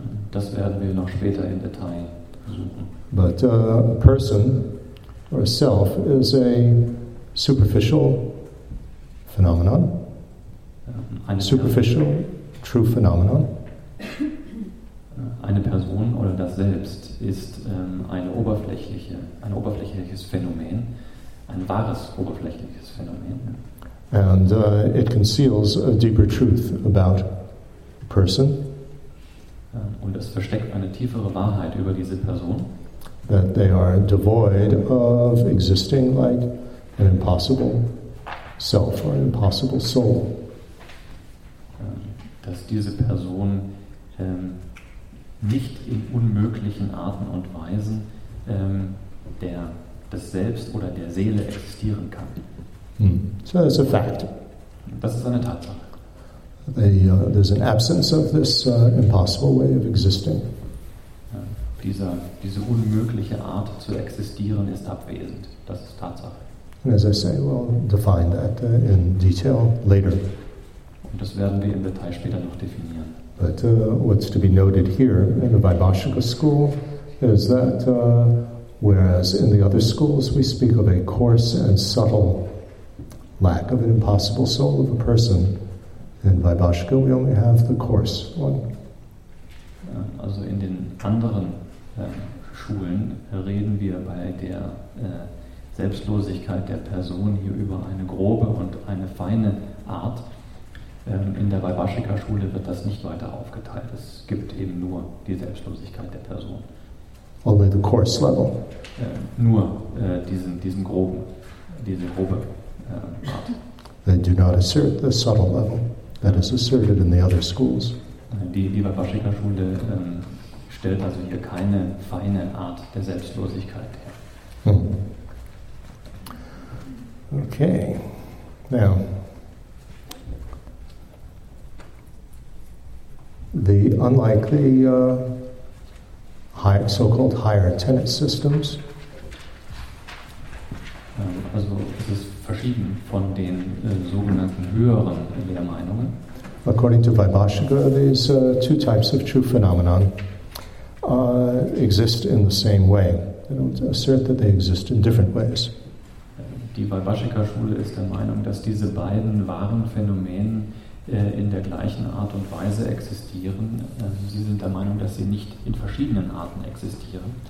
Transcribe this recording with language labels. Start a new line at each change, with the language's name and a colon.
German: Das werden wir noch später im Detail suchen.
English: But a person or a self is a superficial phenomenon.
German: Eine
English: superficial, true phenomenon.
German: Eine Person oder das Selbst ist ein oberflächliches Phänomen, ein wahres oberflächliches Phänomen.
English: And it conceals a deeper truth about a person.
German: Und es versteckt eine tiefere Wahrheit über diese Person.
English: that they are devoid of existing like an impossible self or an impossible soul.
German: Dass diese Person nicht in unmöglichen Arten und Weisen der das Selbst oder der Seele existieren kann.
English: So that's a fact.
German: Das ist eine Tatsache.
English: There's an absence of this impossible way of existing.
German: Diese unmögliche Art zu existieren ist abwesend. Das ist Tatsache.
English: And as I say, we'll define that in detail later.
German: Und das werden wir im Detail später noch definieren.
English: But what's to be noted here in the Vaibhashika school is that whereas in the other schools we speak of a coarse and subtle lack of an impossible soul of a person, in Vaibhashika we only have the coarse one.
German: Also in den anderen Schulen reden wir bei der Selbstlosigkeit der Person hier über eine grobe und eine feine Art. In der Vaibhashika-Schule wird das nicht weiter aufgeteilt. Es gibt eben nur die Selbstlosigkeit der Person.
English: Only the coarse level.
German: Nur diese grobe Art.
English: They do not assert the subtle level that is asserted in the other schools.
German: Die Vaibhashika-Schule stellt also hier keine feine Art der Selbstlosigkeit her.
English: Okay. Now, unlike the so-called higher tenet systems.
German: Also es ist verschieden von den sogenannten höheren Lehrmeinungen.
English: According to Vaibhashika, these two types of true phenomena exist in the same way. They don't assert that they exist in different ways.
German: Die Vaibhashika-Schule ist der Meinung, dass diese beiden wahren Phänomene in der gleichen Art und Weise existieren. Sie sind der Meinung, dass sie nicht in verschiedenen Arten existieren.